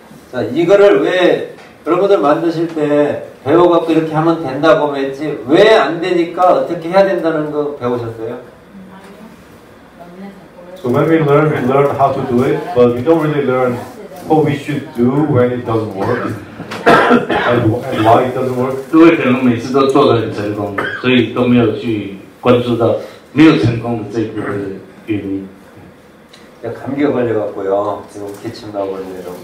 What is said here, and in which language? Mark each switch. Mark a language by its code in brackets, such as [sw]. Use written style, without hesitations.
[ko] 자, 이거를 왜 여러분들 만드실 때 배워갖고 이렇게 하면 된다고 했지 왜 안 되니까 어떻게 해야 된다는 거 배우셨어요? [en] So when we learn how to do it, but we don't really learn what we should do when it doesn't work and why it doesn't work. [zh] 都会可能每次都做得很成功，所以都没有去关注到没有成功的这一部分的原因。 [ko] 제가 감기가 걸려갖고요. 지금 기침 나고 있는데요.